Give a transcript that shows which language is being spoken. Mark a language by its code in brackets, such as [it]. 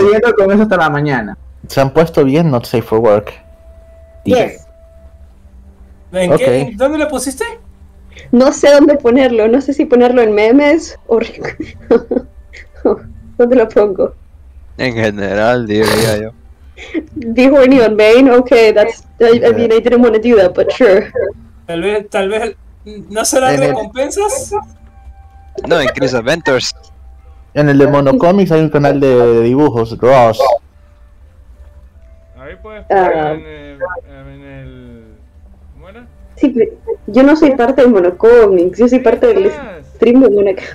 [es] jodiendo con eso hasta la mañana. Se han puesto bien, [en] not safe for work. Yes. [es] Dice. ¿En [en] Ok. [es] qué? ¿Dónde lo pusiste? No sé dónde ponerlo, no sé si ponerlo en memes o ¿dónde lo pongo? En general, diría yo. Dijo en [en] on main, okay, I mean I didn't want to do that, but sure. [es] Tal vez, ¿no serán recompensas? No, en Chris Adventures. En el de Monocomics hay un canal de dibujos, Ross. Ahí puedes poner en el... ¿Cómo era? Sí, yo no soy parte de Monocomics, yo soy parte del stream de Monocomics.